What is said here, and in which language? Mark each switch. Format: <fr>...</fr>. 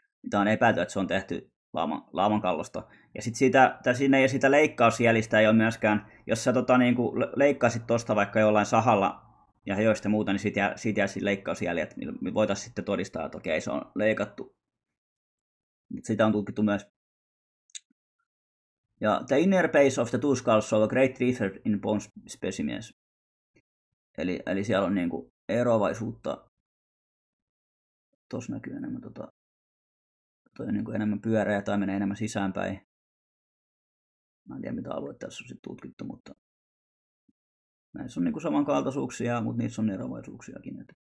<fi>Tämä on epäilty, että se on tehty laaman kallosta. Ja sitten siitä leikkausjäljistä ei ole myöskään, jos sä niin kuin leikkaisit tuosta vaikka jollain sahalla ja hioista muuta, niin siitä jäisi leikkausjäljet. Me voitaisiin sitten todistaa, että okei, se on leikattu. Mutta sitä on tutkittu myös.</fi> <en>Ja the inner base of the two skulls show a great difference in bone specimens.</en> <fi>Eli siellä on niin kuin eroavaisuutta. Tuossa näkyy enemmän toi on niin kuin enemmän pyöreä tai menee enemmän sisäänpäin. Mä en tiedä, mitä alueet tässä on sitten tutkittu, mutta näissä on niin kuin samankaltaisuuksia, mutta niissä on eroavaisuuksiakin.</fi>